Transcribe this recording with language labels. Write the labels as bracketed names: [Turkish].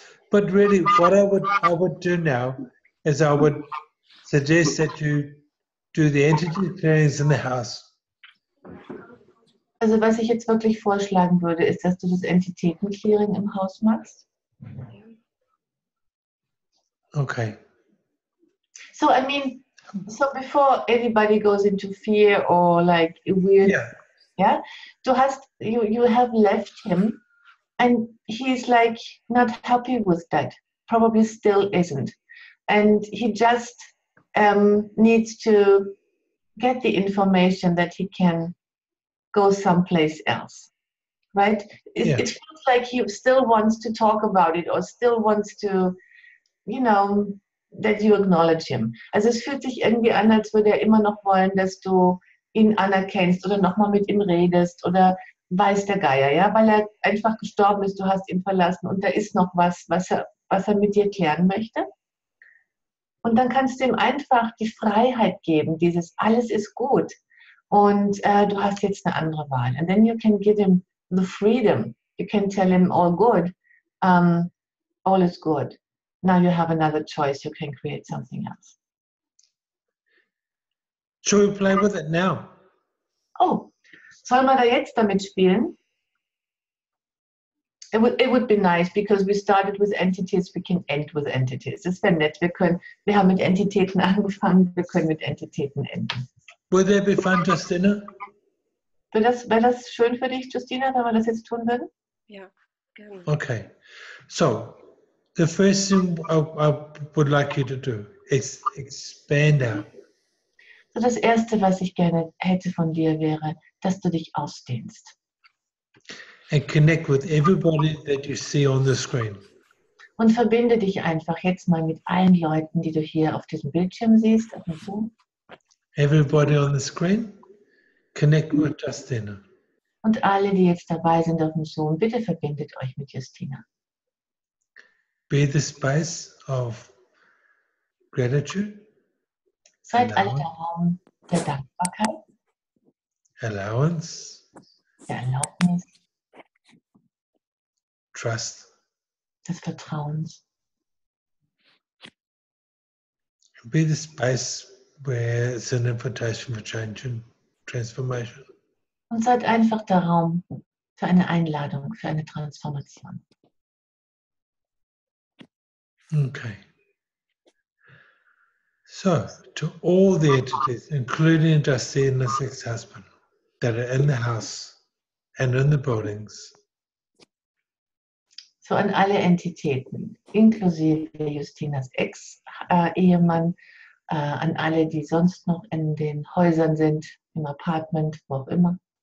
[English] But really, what I would do now is I would suggest that you do the entity clearings in the house. [German] Also was ich jetzt wirklich vorschlagen würde, ist, dass du das Entitäten-Clearing im Haus machst. [English] Okay. So, I mean, so before anybody goes into fear or like weird, you have left him and he's like not happy with that. Probably still isn't. And he just needs to get the information that he can go someplace else, right? It feels like he still wants to talk about it or still wants to, you know, that you acknowledge him. [German] Also es fühlt sich irgendwie an, als würde er immer noch wollen, dass du ihn anerkennst oder nochmal mit ihm redest oder weiß der Geier, ja? Weil er einfach gestorben ist, du hast ihn verlassen und da ist noch was er mit dir klären möchte. Und dann kannst du ihm einfach die Freiheit geben, dieses alles ist gut. Und du hast jetzt eine andere Wahl. [English] And then you can give him the freedom. You can tell him all good. All is good. Now you have another choice. You can create something else. Should we play with it now? [German] Oh, sollen wir da jetzt damit spielen? [English] It would be nice, because we started with entities. We can end with entities. [German] Das wäre nett. Wir haben mit Entitäten angefangen. Wir können mit Entitäten enden. [English] Would that be fun, Justina? [German] Wäre das schön für dich, Justina, wenn wir das jetzt tun würden? Ja, gerne. Okay. [English] So, the first thing I would like you to do is expand out. [German] So, das Erste, was ich gerne hätte von dir, wäre, dass du dich ausdehnst. [English] And connect with everybody that you see on the screen. [German] Und verbinde dich einfach jetzt mal mit allen Leuten, die du hier auf diesem Bildschirm siehst, auf dem Zoom. [English] Everybody on the screen, connect with Justina. [German] Und alle, die jetzt dabei sind auf dem Zoom, bitte verbindet euch mit Justina. [English] Be the spice of gratitude. [German] Seid alle der Raum der Dankbarkeit. [English] Allowance. [German] Der Erlaubnis. [English] Trust. [German] Des Vertrauens. [English] Be the spice where it's an invitation for change and transformation. [German] Und seid einfach der Raum für eine Einladung, für eine Transformation. [English] Okay. So, to all the entities, including Justine and the sixth husband, that are in the house and in the buildings. [German] So, an alle Entitäten, inklusive Justinas Ex-Ehemann, an alle, die sonst noch in den Häusern sind, im Apartment, wo auch immer.